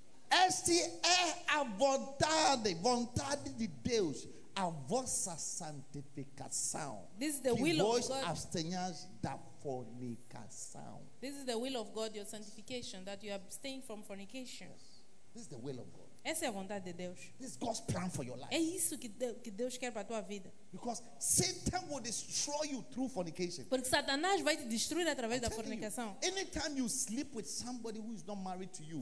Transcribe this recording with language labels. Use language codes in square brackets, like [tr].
[pt] Este é a vontade de Deus, a vossa santificação. [en] This is the will of God. [pt] Abstenhais da fornicação. [en] This is the will of God, your sanctification, that you abstain from fornication. Yes. This is the will of God. [pt] Essa é a vontade de Deus. [en] This is God's plan for your life. [pt] É isso que Deus quer para a tua vida. [en] Because Satan will destroy you through fornication. [pt] Porque Satanás vai te destruir através da fornicação. [en] Anytime you sleep with somebody who is not married to you.